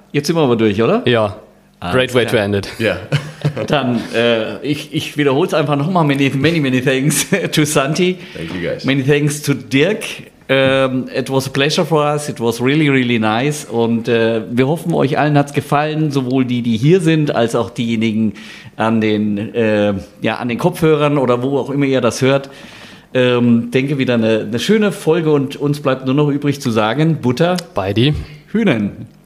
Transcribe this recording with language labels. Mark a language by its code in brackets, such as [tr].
[de] Jetzt sind wir aber durch, oder? [en] Ja. Great way to end it. Yeah. [de] Dann, ich wiederhole es einfach nochmal. [en] Many, many, many thanks to Santi. Thank you, guys. Many thanks to Dirk. It was a pleasure for us. It was really, really nice. [de] Und wir hoffen, euch allen hat es gefallen, sowohl die hier sind, als auch diejenigen an den Kopfhörern oder wo auch immer ihr das hört. Denke, wieder eine schöne Folge. Und uns bleibt nur noch übrig zu sagen, Butter bei die Hühnen.